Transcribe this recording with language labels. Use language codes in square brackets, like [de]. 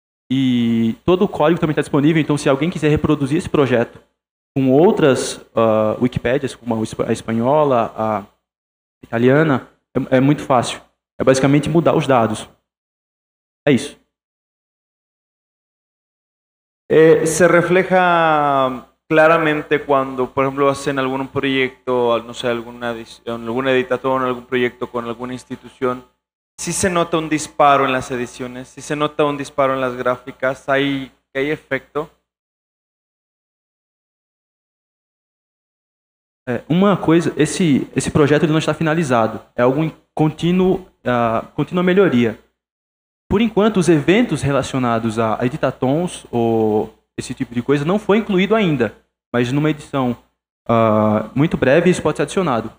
[pt] E todo o código também está disponível, então se alguém quiser reproduzir esse projeto com outras Wikipédias, como a espanhola, a italiana, é muito fácil. É basicamente mudar os dados. É isso. [es] Se refleja claramente cuando, por ejemplo, hacen algún proyecto, no sé, algún editatón, algún proyecto con alguna institución, si se nota un disparo en las ediciones, si se nota un disparo en las gráficas, ¿hay efecto? Una cosa, ese proyecto no está finalizado, es algo en continua melhoría. [pt] Por enquanto, [es] los eventos relacionados a editatons o ese tipo de cosa no fue incluido [pt] ainda. Mas numa edição muito breve, isso pode ser adicionado.